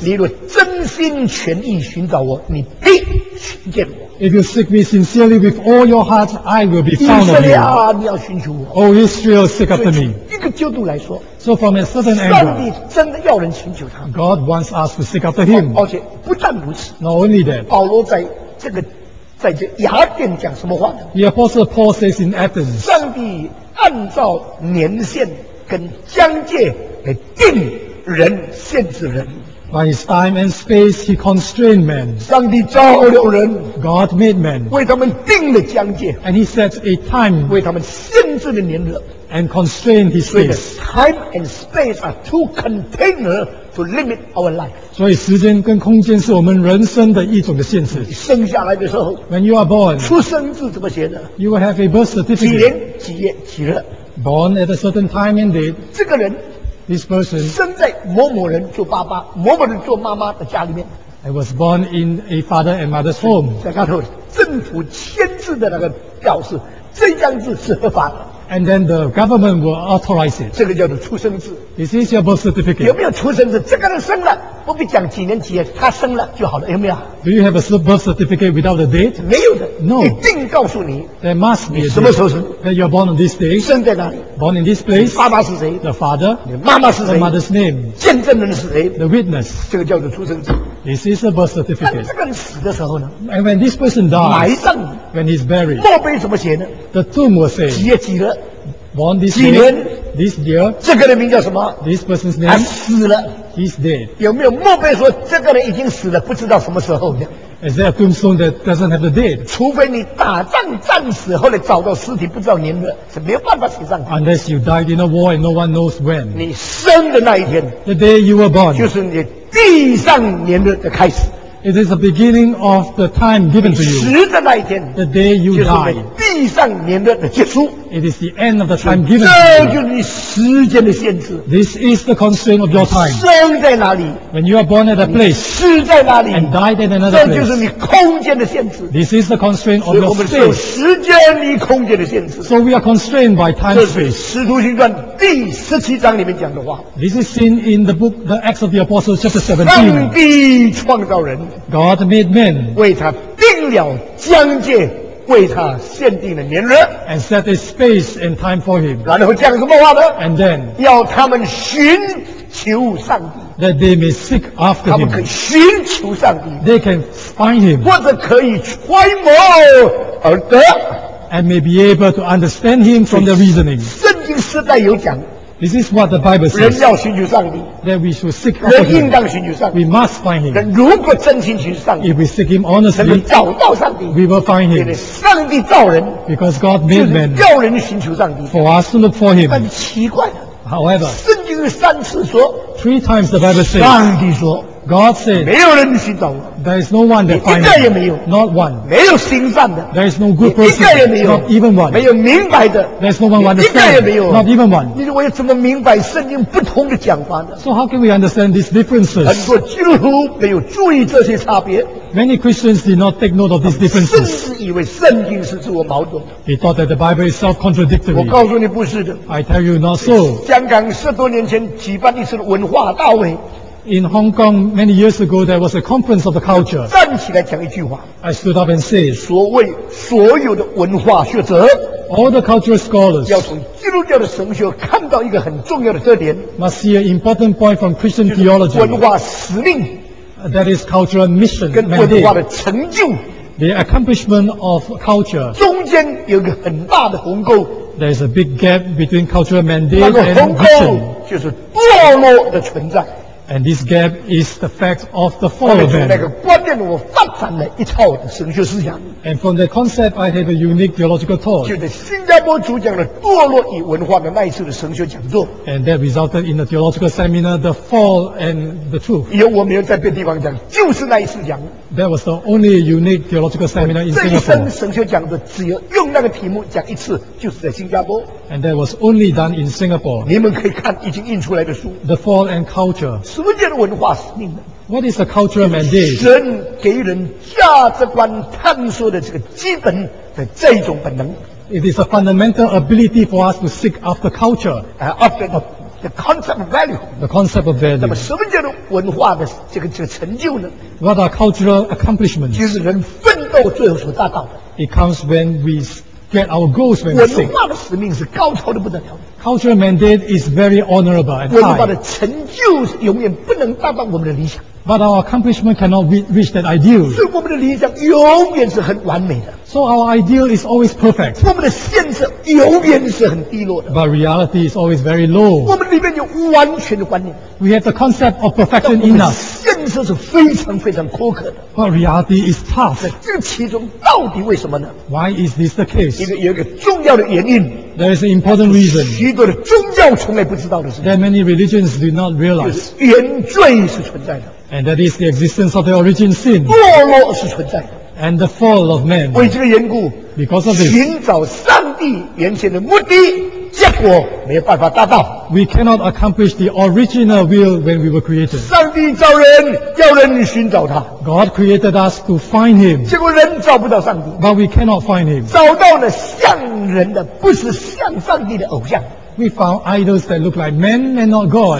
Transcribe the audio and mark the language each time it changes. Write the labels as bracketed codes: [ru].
[zh] 你若真心全意寻找我，你必寻见我。 [en] If you seek me sincerely with all your heart, I will be found of you. Oh, Israel, seek after me. [zh] 一个角度来说, [en] so from a certain angle, [zh] 上帝真的要人寻求他, [en] God wants us to seek after him. [zh] 而且不但如此, [en] not only that, [zh] 保罗在这个, 在这雅典讲什么话呢? [en] The Apostle Paul says in Athens, [zh] 上帝按照年限跟疆界来定人, 限制人。 [en] By his time and space, he constrained men. [zh] 上帝造了人, [en] God made men. [zh] 为他们定了疆界, [en] and he set a time. [zh] 为他们限制了年日, [en] and constrained his space. [zh] 所以, [en] time and space are two containers to limit our life. [zh] 所以时间跟空间是我们人生的一种的限制。生下来的时候, [en] when you are born, [zh] 出生字怎么写呢? [en] You will have a birth certificate. [zh] 几年几月几日? [en] Born at a certain time and date. [zh] 这个人 [en] This person, [zh] 生在某某人做爸爸，某某人做妈妈的家里面。 [en] I was born in a father and mother's home. [zh] 在看到政府签字的那个表示，这张字是合法的。 [en] And then the government will authorize it. [zh] 这个叫做出生字。 [en] This is your birth certificate. [zh] 有没有出生字？这个人生了，不必讲几年几月，他生了就好了，有没有 [en] ？Do you have a birth certificate without a date? [zh] 没有的。 [en] No. [zh] 一定告诉你。 [en] There must be. [zh] 你什么时候生 [en] ？That you are born on this day. [zh] 生在哪里 [en] ？Born in this place. [zh] 爸爸是谁 [en] ？The father. [zh] 妈妈是谁 [en] ？The mother's name. [zh] 见证人是谁 [en] ？The witness. [zh] 这个叫做出生字。 [en] This is a birth certificate. [zh] 这个人死的时候呢 [en] ？And when this person dies. [zh] 埋葬。 [en] When he's buried. [zh] 墓碑怎么写呢 [en] ？The tomb will say. [zh] 几月几日？ [en] Born this [zh] 几年 [en] ？This year， [zh] 这个人名叫什么 [en] ？This person's name。 [zh] 死了。 [en] He's dead。 [zh] 有没有墓碑说这个人已经死了，不知道什么时候的 [en] ？Is there a tombstone that doesn't have the date？ [zh] 除非你打仗战死，后来找到尸体不知道年日，是没有办法写上去。 [en] Unless you died in a war and no one knows when。 [zh] 你生的那一天 [en] ，the day you were born， [zh] 就是你地上年日的开始。 [en] It is the beginning of the time given to you. [zh] 死的那一天 [en] the day you die. [zh] 就是地上年日的结束 [en] It is the end of the time given. [zh] 这就是你时间的限制 [en] This is the constraint of your time. [zh] 生在哪里 [en] When you are born at a place. [zh] 死在哪里 [en] And died at another place. [zh] 这就是你空间的限制 [en] This is the constraint of your space. [zh] 所以我们是有时间与空间的限制 [en] So we are constrained by time and space. [zh] 这是使徒行传第十七章里面讲的话 [en] This is seen in the book, the Acts of the Apostles, chapter 17. [zh] 上帝创造人 [en] God made men, [zh] 为他定了疆界，为他限定了年日 [en] ，and set a space and time for him. [zh] 然后讲什么话呢 [en] ？And then, [zh] 要他们寻求上帝 [en] ，that they may seek after him. [zh] 他们可以寻求上帝 [en] ，they can find him. [zh] 或者可以揣摩而得 [en] ，and may be able to understand him from the reasoning. [zh] 圣经时代有讲。 [en] This is what the Bible says. [zh] 人要寻求上帝。 [en] That we should seek after him. [zh] 人应当寻求上帝。 [en] We must find him. [zh] 人如果真心寻求上帝。 [en] If we seek him honestly. [zh] 人找到上帝。 [en] We will find him. [zh] 上帝造人。 [en] Because God made man. [zh] 就是叫人寻求上帝。 [en] For us to look for him. [zh] 但奇怪了。 [en] However. [zh] 圣经三次说。 [en] Three times the Bible says. [zh] 上帝说。 [en] God said, [zh] 没有人寻找我。 [en] There is no one that finds me. [zh] 一个也没有。 [en] Not one. [zh] 没有行善的。 [en] There is no good person. [zh] 一个也没有。 [en] Not even one. [zh] 没有明白的。 [en] There is no one understand. [zh] 一个也没有。 [en] Not even one. [zh] 你说我要怎么明白圣经不同的讲法呢 [en] ？So how can we understand these differences? [zh] 很多基督徒没有注意这些差别。 [en] Many Christians did not take note of these differences. [zh] 甚至以为圣经是自我矛盾的。 [en] They thought that the Bible is self-contradictory. [zh] 我告诉你不是的。 [en] I tell you not so. [zh] 香港十多年前举办一次文化大会。 [en] In Hong Kong, many years ago, there was a conference of the culture. [zh] 站起来讲一句话。 [en] I stood up and said, [zh] 所谓所有的文化学者 [en] all the cultural scholars, [zh] 要从基督教的神学看到一个很重要的特点 [en] must see an important point from Christian theology. [zh] 文化使命 [en] that is cultural mission, [zh] 跟文化的成就 [en] the accomplishment of culture. [zh] 中间有一个很大的鸿沟 [en] there is a big gap between cultural mandate and mission. [zh] 就是堕落的存在。 [en] And this gap is the fact of the fall of man. [zh] 那个观念，我发展了一套的神学思想。 [en] And from the concept, I have a unique theological thought. [zh] 就是新加坡主讲了堕落与文化的那一次的神学讲座。 [en] And that resulted in the theological seminar, the fall and the truth. [zh] 有我没有在别地方讲，就是那一次讲。 [en] That was the only unique theological seminar in Singapore. [zh] 这一生神学讲的只有用那。那个题目讲一次，就是在新加坡。 [en] And that was only done in Singapore. [zh] 你们可以看已经印出来的书。 [en] The Fall and Culture. [zh] 什么叫文化使命呢？ [en] What is the cultural mandate? [zh] 神给人价值观探索的这个基本的这一种本能。 [en] It is a fundamental ability for us to seek after culture. After the concept of value. The concept of value. [zh] 那么什么叫文化的这个成就呢？ [en] What are cultural accomplishments? [zh] 就是人奋斗最后所达到的。 [en] It comes when we get our goals when we sing. [zh] 文化的使命是高超的不得了。 [en] Cultural mandate is very honorable and high. [zh] 文化的成就是永远不能达到我们的理想。 [en] But our accomplishment cannot reach that ideal. [zh] 所以我们的理想永远是很完美的。 [en] So our ideal is always perfect. [zh] 我们的现实永远是很低落的。 [en] But reality is always very low. [zh] 我们里面有完全的观念。 [en] We have the concept of perfection in us. [zh] 现实是非常非常苛刻的。 [en] But reality is tough. [zh] 这其中到底为什么呢？ [en] Why is this the case? [zh] 因为有一个重要的原因。 [en] There is an important reason. [zh] 许多的宗教从来不知道的事。 [en] That many religions do not realize. [zh] 原罪是存在的。 [en] And that is the existence of the origin sin. [zh] 堕落是存在的。 [en] And the fall of man. [zh] 为这个缘故， [en] because of this, [zh] 寻找上帝原先的目的，结果没有办法达到。 [en] We cannot accomplish the original will when we were created. [zh] 上帝造人，要人寻找他。 [en] God created us to find him. [zh] 结果人找不到上帝。 [en] But we cannot find him. [zh] 找到了像人的，不是像上帝的偶像。 [en] We found idols that look like men and not God.